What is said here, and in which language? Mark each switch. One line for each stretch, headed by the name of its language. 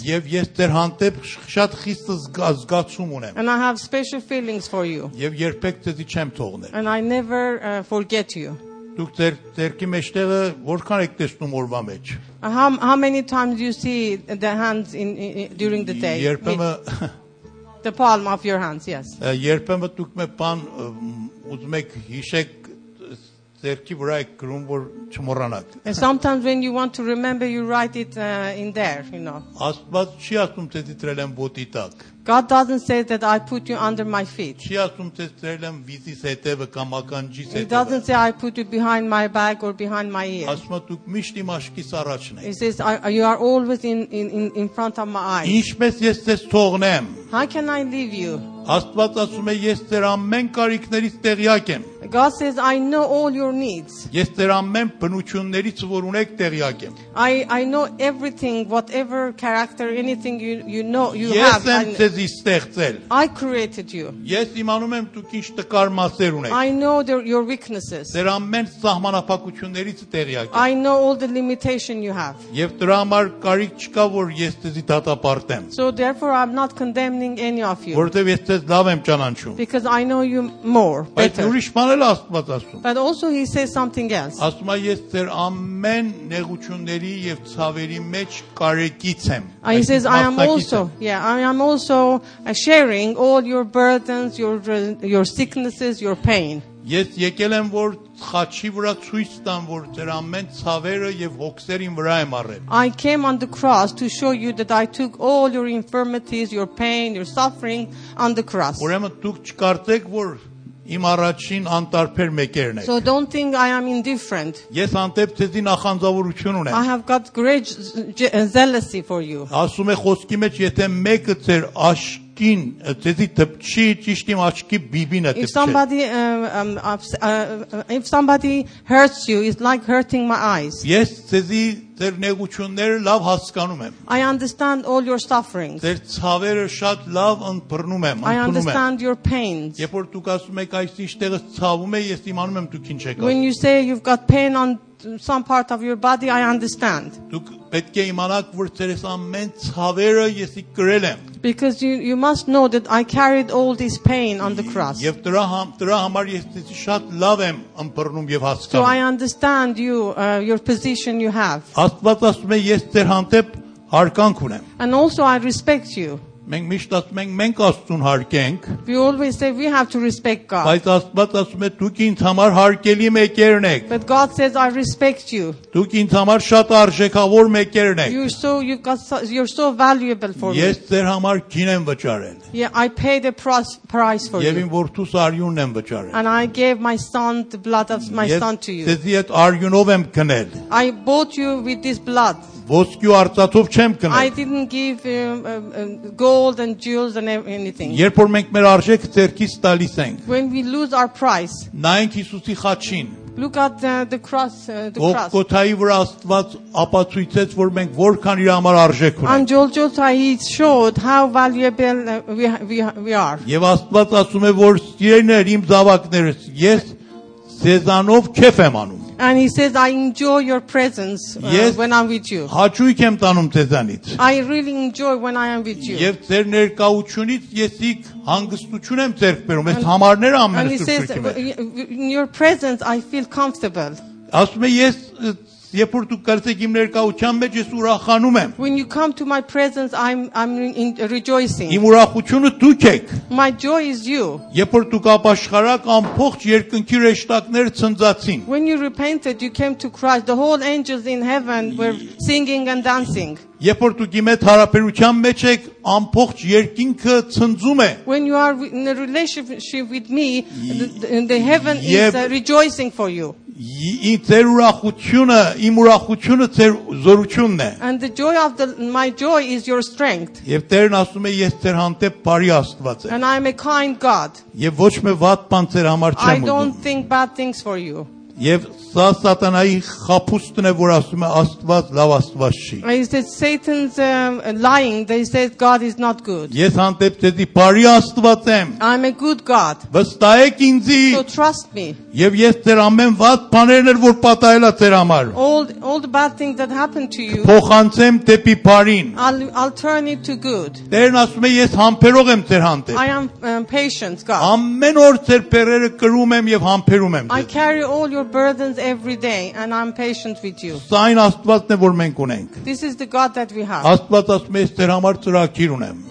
Armenian: Եվ ես ձեր հանդեպ շատ խիստ զգացում ունեմ.
English: And I have special feelings for you.
Armenian: Եվ երբեք ձեզ չեմ թողնել.
English: And I never forget you.
Armenian: Դուք ձեր ձերքի մեջտեղը որքան եք տեսնում օրվա մեջ?
English: How many times you see the hands in during the day?
Armenian: Երբեմն
English: The palm of your hands, yes.
Armenian: Երբեմն դուք մեզ բան ուզում եք հիշեք ձերքի վրա եք գրում որ չմոռանաք.
English: And sometimes when you want to remember you write it in there, you know.
Armenian: Աստված չի ասում թե դրել եմ ոտի տակ.
English: God doesn't say that I put you under my feet.
Armenian: Չի ասում թե դրել եմ վիզի հետևը կամ ականջի հետևը.
English: He doesn't say I put you behind my back or behind my ear.
Armenian: Ասում է դուք միշտ իմ աչքիս առաջն եք.
English: He says you are always in front of my eyes.
Armenian: Ինչպես ես ձեզ թողնեմ?
English: How can I leave you?
Armenian: Աստված ասում է ես ձեր ամեն կարիքներից տեղյակ եմ.
English: God says I know all your needs.
Armenian: Ես ձեր ամեն բնություններից որ ունեք տեղյակ եմ.
English: I know everything whatever character anything you know you have.
Armenian: Ես եմ ձեզի ստեղծել.
English: I created you.
Armenian: Ես իմանում եմ դուք ինչ տկար մասեր ունեք.
English: I know your weaknesses.
Armenian: Ձեր ամեն սահմանափակություններից տեղյակ եմ.
English: I know all the limitation you have.
Armenian: Եվ դրա համար կարիք չկա որ ես ձեզի դատապարտեմ.
English: So therefore I'm not condemning any of you.
Armenian: Որտեւ ես ձեզ լավ եմ ճանաչում.
English: Because I know you more better. But also he says something else.
Armenian: Ասում է ես ձեր ամեն նեղությունների եւ ցավերի մեջ կարեկից եմ.
English: He says I am also sharing all your burdens, your sicknesses, your pain.
Armenian: Ես եկել եմ որ խաչի վրա ցույց տամ որ ձեր ամեն ցավերը եւ հոգսեր իմ վրա եմ առել.
English: I came on the cross to show you that I took all your infirmities, your pain, your suffering on the cross.
Armenian: Ուրեմն դուք չկարծեք որ Իմ առաջին անտարբեր մեկերն եք։
English: So don't think I am indifferent.
Armenian: Ես հանդեպ ձեզի նախանձավորություն ունեմ։
English: I have got great jealousy for you.
Armenian: Ասում է խոսքի մեջ, եթե մեկը ձեր աչքին, ձեզի դպչի, ճիշտ իմ աչքի բիբինը դպչի։
English: If somebody hurts you, it's like hurting my eyes.
Armenian: Ես ձեզի ձեր նեղությունները լավ հասկանում եմ։
English: I understand all your sufferings.
Armenian: Ձեր ցավերը շատ լավ ընդբռնում եմ,
English: I understand your pains.
Armenian: Երբ որ դուք ասում եք այս ինչտեղը ցավում է, ես իմանում եմ դուք ինչ եք ասում։
English: When you say you've got pain on some part of your body, I understand.
Armenian: Դուք պետք է իմանաք, որ ձեր այս ամեն ցավերը եսի կրել եմ։
English: Because you must know that I carried all this pain on the cross.
Armenian: Եվ դրա համար ես ձեզ շատ լավ եմ ընդբռնում եւ հասկանում։
English: So I understand you your position you have.
Armenian: Աստված ասում է ես ձեր հանդեպ հարգանք ունեմ։
English: And also I respect you.
Armenian: Մենք միշտ ասում ենք մենք Աստծուն հարգենք։
English: We always say we have to respect God.
Armenian: Բայց Աստված ասում է դուք ինձ համար հարգելի մեկերն եք։
English: But God says I respect you.
Armenian: Դուք ինձ համար շատ արժեքավոր մեկերն եք։
English: You're so valuable for me.
Armenian: Ես ձեր համար գին եմ վճարել։
English: Yeah, I paid a price for you.
Armenian: Եվ իմ որդուս արյունն եմ վճարել։
English: And I gave my son the blood of my son to you.
Armenian: Ես ձեզ այդ արյունով եմ քնել։
English: I bought you with this blood.
Armenian: Ոսկու արծաթով չեմ քնել։
English: I didn't give gold and jewels and anything.
Armenian: Երբ որ մենք մեր արժեքը ձեռքից տալիս ենք։
English: When we lose our price.
Armenian: Նայեք Հիսուսի խաչին։
English: Look at the cross, the cross.
Armenian: Գոլգոթայի վրա Աստված ապացուցեց, որ մենք որքան իր համար արժեք ունենք։
English: And Golgotha showed how valuable we are.
Armenian: Եվ Աստված ասում է, որ սիրելիներ, իմ զավակներս, ես ձեզանով քեֆ եմ անում։
English: And he says, I enjoy your presence when I'm with you.
Armenian: Հաճույք եմ տանում ձեզանից։
English: I really enjoy when I am with you.
Armenian: Եվ ձեր ներկայությունից եսի հանգստություն եմ ձեռք բերում։ Այս համարները ամենը սուրբ են։
English: In your presence I feel comfortable.
Armenian: Ասում է ես
English: When you come to my presence, I'm in rejoicing.
Armenian: Իմ ուրախությունը դուք եք.
English: My joy is you.
Armenian: Երբ որ դուք ապաշխարակ ամբողջ երկնքի ռեշտակներ ցնցացին.
English: When you repented, you came to Christ, the whole angels in heaven were singing and dancing.
Armenian: Երբ որ դուք իմ հետ հարաբերության մեջ եք, ամբողջ երկինքը ցնցում է.
English: When you are in a relationship with me, the heaven is rejoicing for you.
Armenian: Ձեր ուրախությունը, իմ ուրախությունը ձեր զորությունն է.
English: And the joy of my joy is your strength.
Armenian: Եվ Տերն ասում է, ես ձեր հանդեպ բարի Աստված եմ.
English: And I am a kind God.
Armenian: Եվ ոչ մի վատ բան ձեր համար չեմ ուզում.
English: I don't think bad things for you.
Armenian: Եվ սա սատանայի խապուստն է, որ ասում է Աստված լավ Աստված չի.
English: Is it Satan's lying that he says God is not good?
Armenian: Ես հանդեպ ձեզի բարի Աստված եմ.
English: I'm a good God.
Armenian: Վստահեք ինձի.
English: So trust me.
Armenian: Եվ ես ձեր ամեն վատ բաներն էր որ պատահելա ձեր համար.
English: All the bad things that happened to you.
Armenian: Փոխանցեմ դեպի բարին.
English: I'll turn it to good.
Armenian: Տերն ասում է ես համբերող եմ ձեր հանդեպ.
English: I am patient God.
Armenian: Ամեն օր ձեր բերերը կրում եմ եւ համբերում եմ ձեզ.
English: I carry all your burdens every day and I'm patient with you.
Armenian: Սայն Աստվածն է որ մենք ունենք.
English: This is the God that we have.
Armenian: Աստված ասում է ես ձեր համար ծրագիր ունեմ.